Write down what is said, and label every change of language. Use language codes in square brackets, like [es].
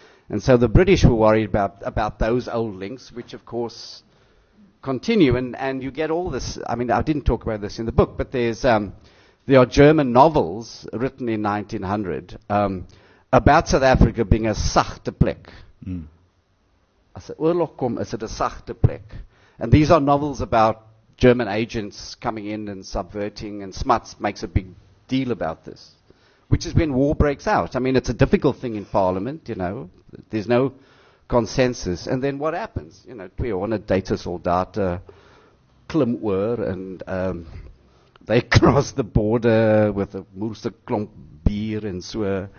[en] And so the British were worried about those old links, which of course continue, and you get all this. I mean, I didn't talk about this in the book, but there are German novels written in 1900, about South Africa being a [af] sagte plek. [en] Mm. [af] As 'n oorlog kom, is dit 'n sagte plek. [en] And these are novels about German agents coming in and subverting, and Smuts makes a big deal about this, which is when war breaks out. I mean, it's a difficult thing in Parliament, you know. There's no consensus. And then what happens? You know, [af] twee honderd Duitse soldate klim oor, [en] and they cross the border with a [af] moerse klomp bier en so.